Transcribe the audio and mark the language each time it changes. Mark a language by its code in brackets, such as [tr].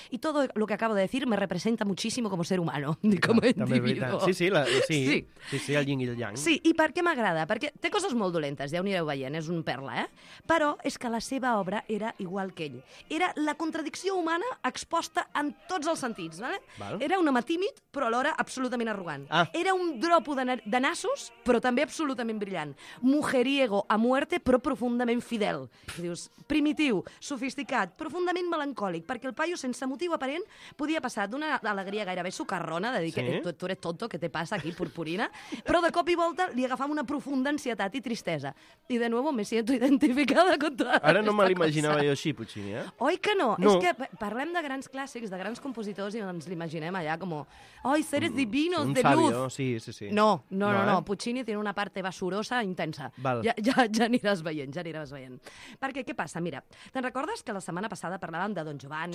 [ca] I tot el que acabo de dir [es] me representa muchísimo como ser humano, ni como individuo. [ca] Sí, el yin i el yang. Sí, i per què m'agrada? Perquè té coses molt dolentes, ja ho anireu veient, és un perla, eh? Però és que la seva obra era igual que ell. Era la contradicció humana exposta en tots els sentits, vale? Era un home tímid, però alhora absolutament arrogant. Ah. Era un dropo de nassos, però també absolutament brillant. [es] Mujeriego a muerte, [ca] però profundament fidel. Dius, primitiu, sofisticat, profundament melancòlic, perquè el paio, sense motiu aparent, podia passar d'una alegria gairebé socarrona, de dir que [es] tu eres tonto, [ca] què te passa aquí, purpurina, però de cop i volta li agafava una profunda ansietat i tristesa. [es] I de nuevo me siento identificada con toda esta cosa. [ca] Ara no me l'imaginava jo així, Puccini, eh? Oi que no? No. És que parlem de grans clàssics, de grans compositors, i ens l'imaginem allà com, oi, [es] seres divinos de luz. [ca] Sí. No. Puccini té una part basurosa intensa. Ja aniràs veient. Perquè, què passa? Mira, te'n recordes que la setmana passada parlàvem de Don Giovanni,